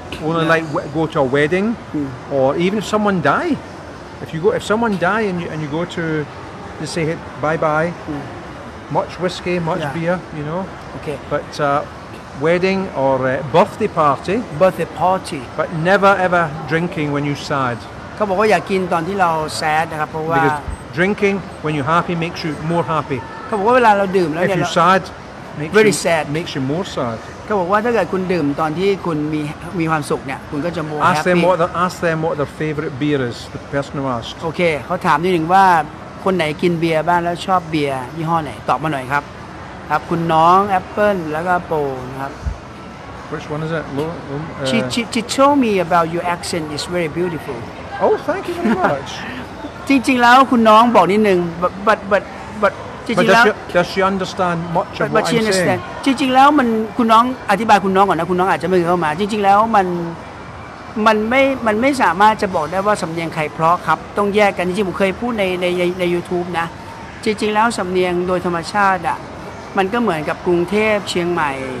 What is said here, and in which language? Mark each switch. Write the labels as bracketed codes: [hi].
[en] Only like go to a wedding, or even if someone die. if you go, if someone die and you go to, they say hey, bye bye, much whiskey, much beer, you know. Okay. But wedding or birthday party. Birthday party. But never ever drinking when you're sad. [th] เขาบอกว่าอย่ากินตอนที่เราแซดนะครับเพราะว่า [en] drinking when you're happy makes you more happy. [th] เขาบอกว่าเวลาเราดื่มแล้วเนี่ย [en] if you're sad, very sad makes you more sad. [th] เขาบอกว่าถ้าเกิดคุณดื่มตอนที่คุณมีความสุขเนี่ยคุณก็จะ more [en] happy. Ask them what their favorite beer is. The person who asked. [th] โอเคเขาถามนิดนึงว่าคนไหนกินเบียร์บ้างแล้วชอบเบียร์ยี่ห้อไหนตอบมาหน่อยครับครับคุณน้องแอปเปิ้ลแล้วก็โปนะครับ [en] Which one is it? She told me about your accent is very beautiful. Oh, thank you very much. [th] จริงๆแล้วคุณน้องบอกนิดนึง but จริงๆแล้ว [en] Does she understand much of what I'm saying? [th] จริงๆแล้วมันคุณน้องอธิบายคุณน้องก่อนนะคุณน้องอาจจะไม่เข้ามาจริงๆแล้วมันไม่สามารถจะบอกได้ว่าสำเนียงใครเพราะครับต้องแยกกันจริงๆผมเคยพูดในYouTube นะจริงๆแล้วสำเนียงโดยธรรมชาติอ่ะมันก็เหมือนกับกรุงเทพเชียงใหม่